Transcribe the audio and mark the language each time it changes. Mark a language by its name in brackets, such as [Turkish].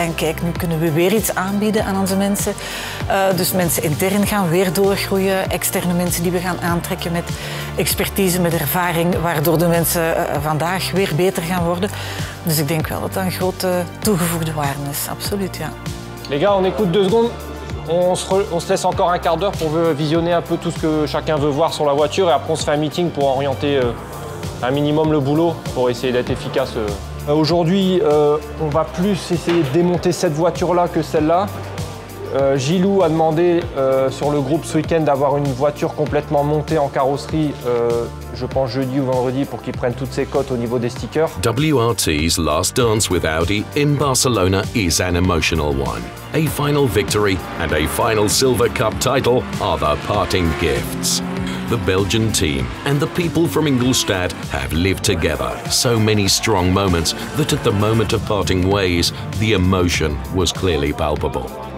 [Dutch] En kijk, nu kunnen we weer iets aanbieden aan onze mensen. Dus mensen intern gaan weer doorgroeien, externe mensen die we gaan aantrekken met expertise, met ervaring, waardoor de mensen vandaag weer beter gaan worden. Dus ik denk wel dat dat een grote toegevoegde waarde is, absoluut, ja. [French] Les gars, on écoute deux secondes. On se laisse encore un quart d'heure pour visionner un peu tout ce que chacun veut voir sur la voiture et après on se fait un meeting pour orienter un minimum le boulot pour essayer d'être efficace. Aujourd'hui, on va plus essayer de démonter cette voiture-là que celle-là. Gilou a demandé sur le groupe ce week-end d'avoir une voiture complètement montée en carrosserie, je pense jeudi ou vendredi, pour qu'ils prennent toutes ses cotes au niveau des stickers. [English] WRT's last dance with Audi in Barcelona is an emotional one. A final victory and a final Silver Cup title are the parting gifts. The Belgian team and the people from Ingolstadt have lived together so many strong moments that at the moment of parting ways, the emotion was clearly palpable.